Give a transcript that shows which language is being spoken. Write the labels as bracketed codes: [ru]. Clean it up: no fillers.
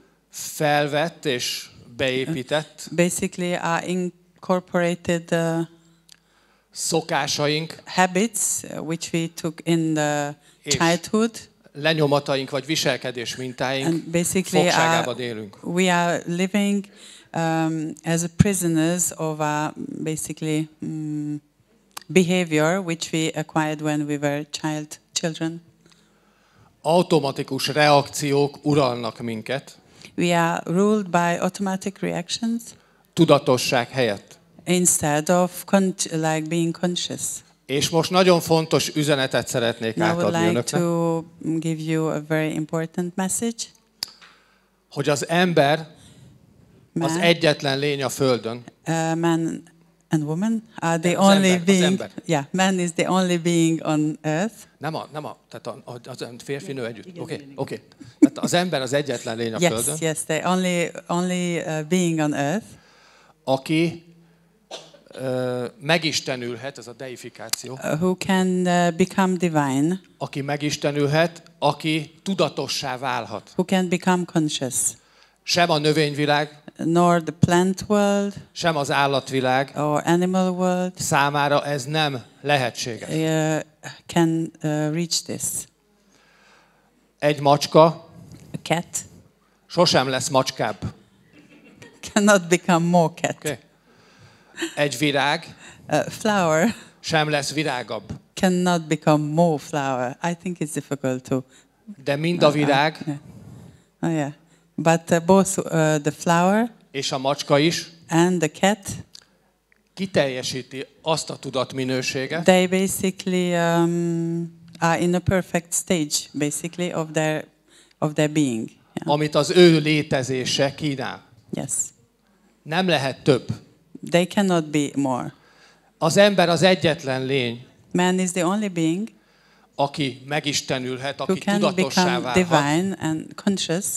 [hu] felvett és beépített [en] basically our incorporated [hu] szokásaink [en] habits which we took in the childhood [hu] lenyomataink vagy viselkedés mintáink fogságában élünk. [en] We are living as prisoners of our basically behavior which we acquired when we were children. [hu] Automatikus reakciók uralnak minket. [en] We are ruled by automatic reactions. [hu] Tudatosság helyett. [en] Instead of like being conscious. [hu] És most nagyon fontos üzenetet szeretnék átadni önöknek. [en] I would like to give you a very important message. [hu] Hogy az ember man, az egyetlen lény a Földön. [en] Man and woman are the only being. Yeah, man is the only being on Earth. [hu] Nem a, tehát az férfi nő együtt. Okay. Tehát az ember az egyetlen lény a [en] yes, [hu] Földön. [en] Yes, the only being on Earth. [hu] Aki megistenülhet, ez a deifikáció. [en] Who can become divine. [hu] Aki megistenülhet, aki tudatossá válhat. [en] Who can become conscious. [hu] Sem a növényvilág, [en] nor the plant world, [hu] sem az állatvilág, [en] or animal world, [hu] számára ez nem lehetséges. [en] Can reach this. [hu] Egy macska, [en] a cat, [hu] sosem lesz macskább. [en] Cannot become more cat. [hu] Okay. Egy virág, [en] a flower, [hu] sem lesz virágabb. [en] Cannot become more flower. I think it's difficult to. [hu] De mind a virág. [en] Yeah. Oh yeah. But both the flower [hu] és a macska is [en] and the cat [hu] kiteljesíti azt a tudatminőséget. [en] They basically are in a perfect stage basically of their being. Yeah. [hu] Amit az ő létezése kínál. [en] Yes. [hu] Nem lehet több. [en] They cannot be more. [hu] Az ember az egyetlen lény. [en] Man is the only being. [hu] Aki megistenülhet, aki [en] who can [hu] tudatossá [en] become [hu] válhat. [en] Divine and conscious.